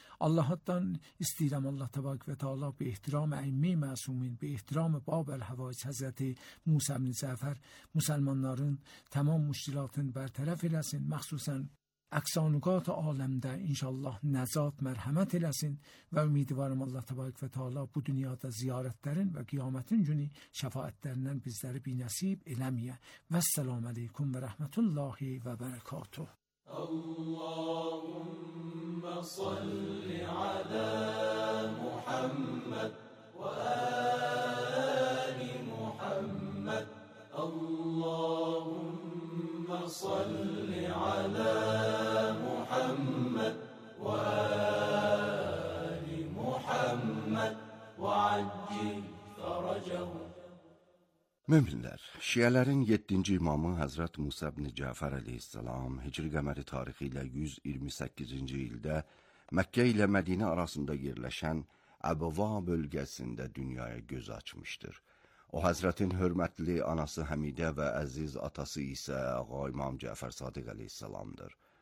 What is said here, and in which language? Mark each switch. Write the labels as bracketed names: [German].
[Azerbaijani] Allahdan istəyirəm, Allah təbarək və təala, bir ehtiram əimmi məsumin, bir ehtiram Bab-əl-Həvaic Həzrəti Musa ibn Cəfər, müsəlmanların tamam müşkilatını bərtərəf eləsin, məxsusən Əksanüqat-ı aləmdə inşallah nəzat, mərhəmət eləsin və ümidvarım Allah təbarik və teala bu dünyada ziyarətlərin və qiyamətin günü şəfaətlərindən bizləri bir nəsib eləməyə. [Arabic] Və səlamu aleykum və rəhmətullahi və bərəkatuh. Allahümmə salli ədə Muhammed və əli Muhammed. Allahümmə salli على محمد وآل محمد وعجل فرجه. [Azerbaijani] Möminlər, şiələrin 7-ci imamı Həzrət Musa ibn Cəfər əleyhissalam Hicri qəmər tarixi ilə 128-ci ildə Məkkə ilə Mədinə arasında yerləşən Əbva bölgəsində dünyaya göz açmışdır. O, Həzrətin hörmətli anası Həmidə və əziz atası isə Ağa İmam Cəfər Sadiq əleyhissalamdır.